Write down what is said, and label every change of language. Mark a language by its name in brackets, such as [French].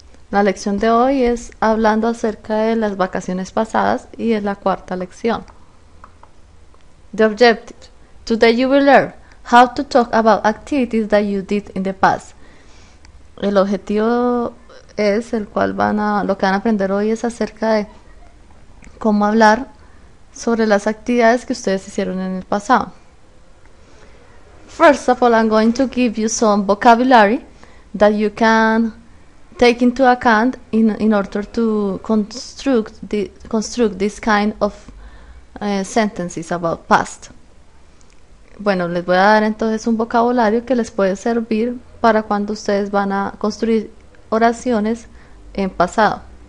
[Spanish] La lección de hoy es hablando acerca de las vacaciones pasadas y es la cuarta lección. [English] The objective. Today you will learn how to talk about activities that you did in the past. [Spanish] El objetivo es el cual van a, lo que van a aprender hoy es acerca de cómo hablar sobre las actividades que ustedes hicieron en el pasado. [English] First of all, I'm going to give you some vocabulary that you can take into account in order to construct this kind of sentences about past. [Spanish] Bueno, les voy a dar entonces un vocabulario que les puede servir para cuando ustedes van a construir oraciones en pasado.